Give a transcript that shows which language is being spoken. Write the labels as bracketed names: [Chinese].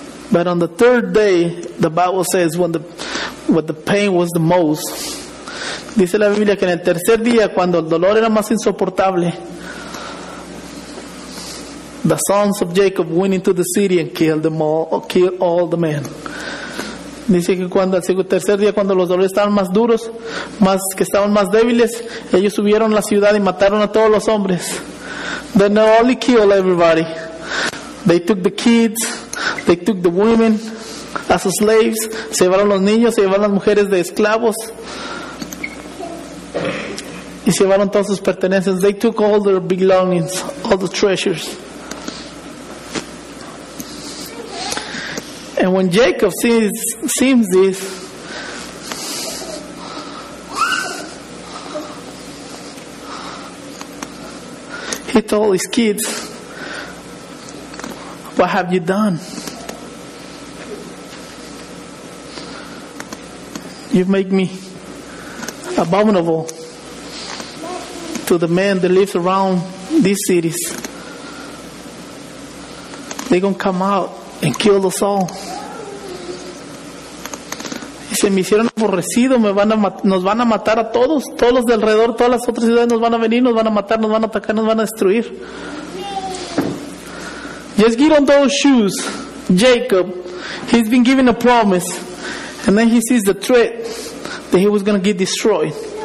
[English] But on the third day, the Bible says when the pain was the most. [Spanish] Dice la Biblia que en el tercer día, cuando el dolor era más insoportable, [English] The sons of Jacob went into the city and killed them all, killed all the men. [Spanish] Dice que cuando el tercer día, cuando los dolores estaban más duros, más que estaban más débiles, ellos subieron a la ciudad y mataron a todos los hombres. [English] They not only killed everybody. They took the kids, they took the women as slaves. [Spanish] Se llevaron los niños, se llevaron las mujeres de esclavos. Y se llevaron todas sus pertenencias. [English] They took all their belongings, all the treasures. And when Jacob sees this, he told his kids, "What have you done? You've made me abominable to the man that lives around these cities. They're gonna come out and kill us all." [Spanish] Se me hicieron aborrecido, nos van a matar a todos, todos los de alrededor, todas las otras ciudades nos van a venir, nos van a matar, nos van a atacar, nos van a destruir. [English] Just get on those shoes, Jacob. He's been given a promise, and then he sees the threat that he was going to get destroyed.